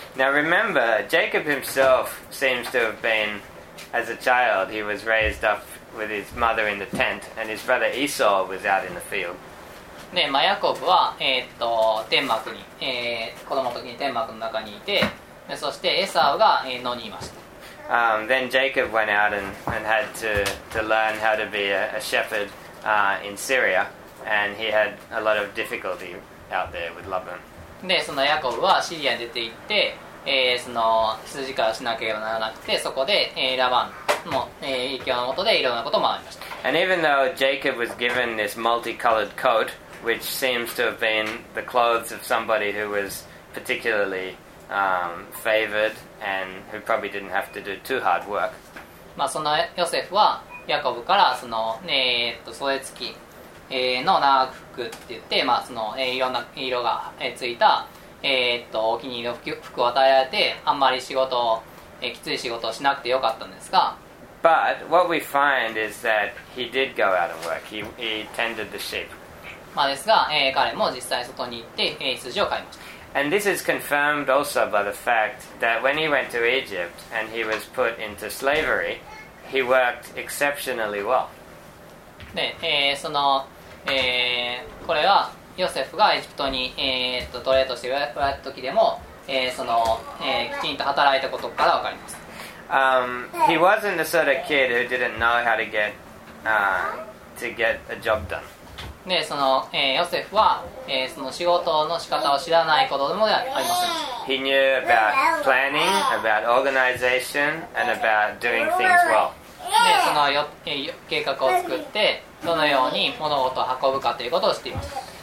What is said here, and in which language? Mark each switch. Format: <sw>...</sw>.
<en>Now remember, Jacob himself seems to have been, as a child, he was raised up with his mother in the tent, and his brother Esau was out in the field.</en> <ja>ね、まあ、ヤコブは、天幕に、子供の時に天幕の中にいて、そしてエサウが野にいました。</ja> <en>Then Jacob went out and had to learn how to be a shepherd. In Syria, and he had a lot of difficulty out there with Laban.</en> <ja>で、そのヤコブはシリアに出て行って、その羊飼いをしなければならなくて、そこで、ラバンの、影響の下でいろんなことを学びました。</ja> <en>And even though Jacob was given this multicolored coat, which seems to have been the clothes of somebody who was particularly, favored and who probably didn't have to do too hard work.</en> <ja>まあ、そのヨセフは、ヤコブからその、袖付きの長く服って言って、まあそのいろんな色がついたお気に入りの服を与えられて、あんまり仕事を、きつい仕事をしなくてよかったんですが。</ja> <en>But what we find is that he did go out and work. He tended the sheep.</en> <ja>まあですが、彼も実際外に行って、羊を飼いました。</ja> <en>And this is confirmed also by the fact that when he went to Egypt and he was put into slavery,He worked exceptionally well.</en> <ja>で、その、これはヨセフがエジプトに、奴隷として売られた時でも、その、きちんと働いたことからわかります。</ja> <en>He wasn't the sort of kid who didn't know how to get, to get a job done.</en> <ja>で、その、ヨセフは、その仕事の仕方を知らないことでもありません。</ja> <en>He knew about planning, about organization, and about doing things well.</en> <ja>でそのよ計画を作ってどのように物事を運ぶかということを知っています。</ja>